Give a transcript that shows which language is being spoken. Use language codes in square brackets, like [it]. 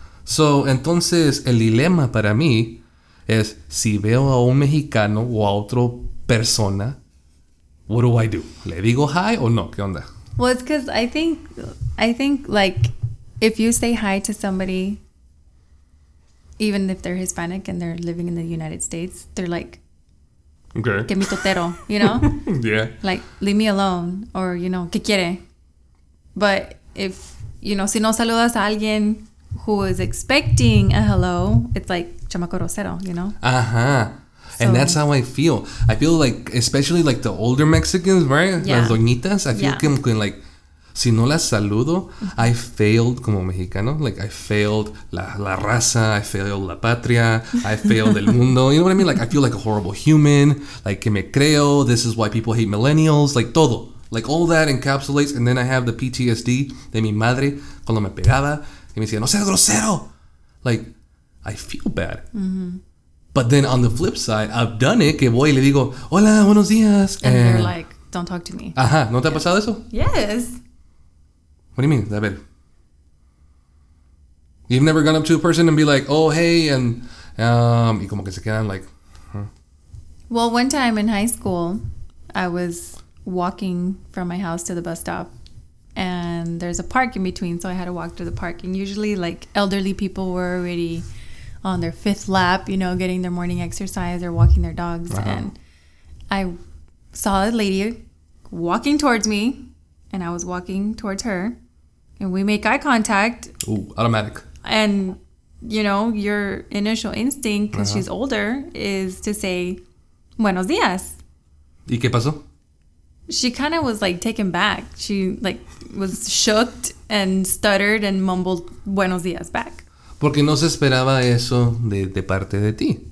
[es] So, entonces, el dilema para mí es, si veo a un mexicano o a otra persona, [en] what do I do? [es] ¿Le digo hi o no? ¿Qué onda? [en] Well, it's because I think like if you say hi to somebody, even if they're Hispanic and they're living in the United States, they're like, okay, [es] que mi totero, [en] you know? Yeah. Like, leave me alone, or, you know, [es] que quiere. [en] But if, you know, [es] si no saludas a alguien [en] who is expecting a hello, it's like [es] chamaco rosero, [en] you know? Uh-huh. So, and that's how I feel. I feel like, especially like the older Mexicans, right? Yeah. [es] Las doñitas. [en] I feel yeah. que, like, [es] si no las saludo, [en] I failed [es] como mexicano. [en] Like, I failed [es] la raza. [en] I failed [es] la patria. [en] I failed [es] el mundo. [en] You know what I mean? Like, I feel like a horrible human. Like, [es] que me creo. [en] This is why people hate millennials. Like, todo. Like, all that encapsulates. And then I have the PTSD [es] de mi madre cuando me pegaba. Y me decía, no seas grosero. [en] Like, I feel bad. Mm-hmm. But then on the flip side, I've done it. [es] Que voy y le digo, hola, buenos días. [en] And you're like, don't talk to me. [es] Ajá, ¿no te ha pasado eso? [en] Yes. What do you mean? [es] A ver. [en] You've never gone up to a person and be like, oh, hey, and... [es] y como que se quedan [en] like... Huh? Well, one time in high school, I was walking from my house to the bus stop. And there's a park in between, so I had to walk to the park. And usually, like, elderly people were already... on their fifth lap, you know, getting their morning exercise or walking their dogs. Uh-huh. And I saw a lady walking towards me and I was walking towards her and we make eye contact. Ooh, automatic. And, you know, your initial instinct, because uh-huh. she's older, is to say, [es] buenos días. ¿Y qué pasó? [en] She kind of was like taken back. She like was shook and stuttered and mumbled [es] buenos días [en] back. [es] Porque no se esperaba eso de parte de ti.